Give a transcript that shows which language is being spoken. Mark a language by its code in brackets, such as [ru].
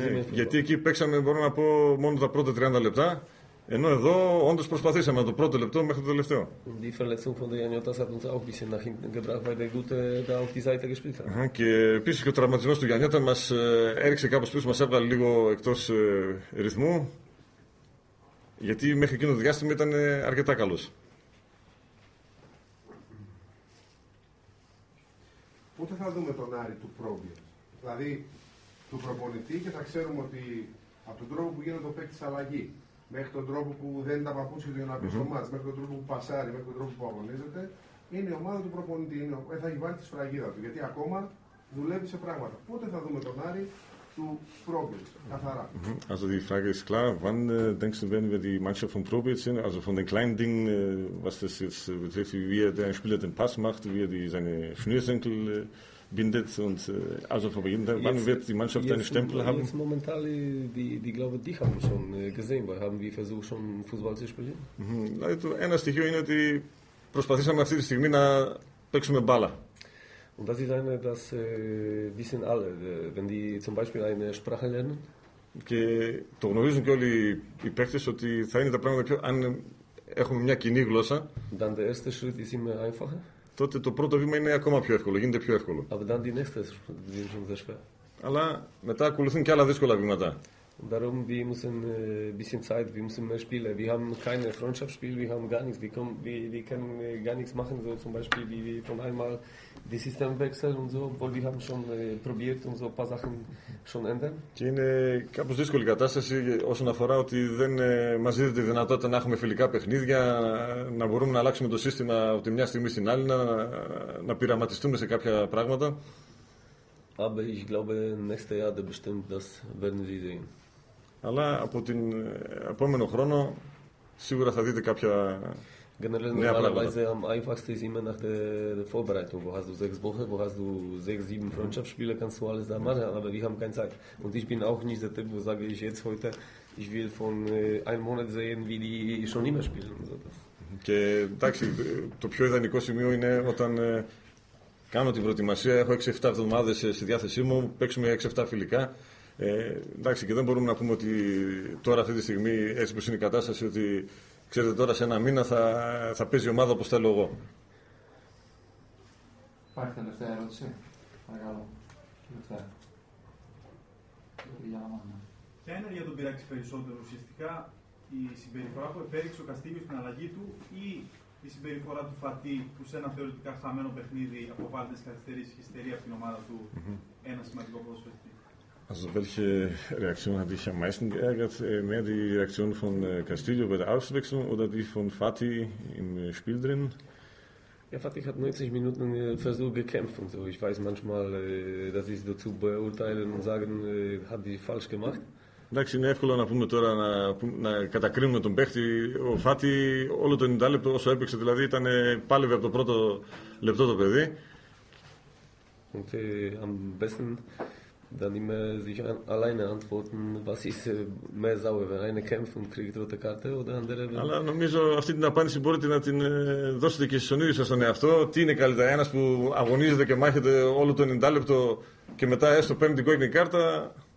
[el] Γιατί εκεί παίξαμε, μπορώ να πω, μόνο τα πρώτα 30 λεπτά. Ενώ εδώ όντως προσπαθήσαμε το πρώτο λεπτό μέχρι το τελευταίο. [de] Die Verletzung von Giannotas hat uns auch ein bisschen nach hinten gebracht, weil der Gute da auf die Seite gespielt hat. [el] Και επίσης και ο τραυματισμός του Γιαννιώτα μας έριξε κάπως πίσω, μας έβγαλε λίγο εκτός ρυθμού. Γιατί μέχρι εκείνο το διάστημα ήταν αρκετά καλός. Πότε θα δούμε τον Άρη του πρόβλη, δηλαδή του προπονητή, και θα ξέρουμε ότι από τον τρόπο που γίνεται ο παίκτης αλλαγή, μέχρι τον τρόπο που δεν τα παπούτσια του για να πει στο μάτς, μέχρι τον τρόπο που πασάρει, μέχρι τον τρόπο που αγωνίζεται, είναι η ομάδα του προπονητή. Θα έχει βάλει τη σφραγίδα του, γιατί ακόμα δουλεύει σε πράγματα. Πότε θα δούμε τον Άρη του Πρόπιτς, καθαρά. [de] Also die Frage ist klar, wann denkst du, werden wir die Mannschaft von Prokop sehen, also von den kleinen Dingen, was das jetzt betrifft, wie er der Spieler den Pass macht, wie er die, seine Schnürsenkel bindet und also vor jedem Tag, wann wird die Mannschaft einen Stempel haben? Jetzt momentan, die glaube ich, die haben wir schon gesehen, weil haben wir versucht schon Fußball zu spielen. Also ein Stichwort ist, dass wir versuchen, auf diese Stimme zu spielen mit Ball. Und das ist eine, das wissen alle, wenn die zum Beispiel eine Sprache lernen. [el] Και το γνωρίζουν και όλοι οι παίκτες ότι θα είναι τα πράγματα πιο, αν έχουμε μια κοινή γλώσσα. [de] Dann der erste Schritt ist immer einfacher. [el] Τότε το πρώτο βήμα είναι ακόμα πιο εύκολο, γίνεται πιο εύκολο. [de] Aber dann die nächste Schritt ist immer schwer. [el] Αλλά μετά ακολουθούν και άλλα δύσκολα βήματα. [de] Darum wir müssen ein bisschen Zeit, wir müssen mehr spielen. Wir haben keine Freundschaftsspiel, wir haben gar nichts. Wir können gar nichts machen, so zum Beispiel wie von einmal die System wechseln und so, obwohl wir haben schon probiert und so ein paar Sachen schon ändern. [el] Και είναι κάπως δύσκολη κατάσταση όσον αφορά ότι δεν μας δίνεται τη δυνατότητα να έχουμε φιλικά παιχνίδια, να μπορούμε να αλλάξουμε το σύστημα από τη μια στιγμή στην άλλη, να πειραματιστούμε σε κάποια πράγματα. [de] Aber ich glaube, nächstes Jahr bestimmt, das werden Sie sehen. [el] Αλλά από την επόμενο χρόνο σίγουρα θα δείτε κάποια [de] generell [el] νέα πράγματα. [de] Am einfachsten ist immer nach der Vorbereitung. Wo hast du 6 Wochen, wo hast du 6-7 Freundschaftsspiele, kannst du alles da machen, aber wir haben keine Zeit. Und ich bin auch nicht der Typ, wo sage ich jetzt heute, ich will von einem Monat sehen, wie die schon immer spielen. So. [el] Και εντάξει, το πιο ιδανικό σημείο είναι όταν κάνω την προετοιμασία, έχω 6-7 εβδομάδες στη διάθεσή μου, παίξουμε 6-7 φιλικά. Εντάξει, και δεν μπορούμε να πούμε ότι τώρα αυτή τη στιγμή, έτσι που είναι η κατάσταση, ότι ξέρετε τώρα σε ένα μήνα θα παίζει η ομάδα όπως θέλω εγώ. Υπάρχει τελευταία ερώτηση, παρακαλώ. Τελευταία. Ποια είναι για τον πειράξει περισσότερο ουσιαστικά η συμπεριφορά που επέδειξε ο Καστίγιο στην αλλαγή του ή η συμπεριφορά του Φατί που σε ένα θεωρητικά χαμένο παιχνίδι αποβάλλεται στις καθυστερήσεις και στερεί από την ομάδα του ένα σημαντικό ποδοσφαιριστή? [de] Also welche Reaktion hat dich am meisten geärgert? Mehr die Reaktion von Castillo bei der Auswechslung oder die von Fatih im Spiel drin? Ja, Fatih hat 90 Minuten Versuch gekämpft und so. Ich weiß manchmal, dass ich dazu beurteilen und sagen, hat die falsch gemacht. [el] Εντάξει, είναι εύκολο να πούμε τώρα να κατακρίνουμε τον παίχτη. Ο Φάτη, όλο το 90 λεπτό όσο έπαιξε, δηλαδή ήταν πάλευε από το πρώτο λεπτό το παιδί. [de] Και am besten dann immer sich alleine antworten, was ist mehr sauer, wenn einer kämpft und kriegt rote Karte oder andere. [el] Αλλά νομίζω αυτή την απάντηση μπορείτε να την δώσετε και στον ίδιο σας τον εαυτό. Τι είναι καλύτερα, ένας που αγωνίζεται και μάχεται όλο το 90 λεπτό και μετά έστω παίρνει την κόκκινη κάρτα.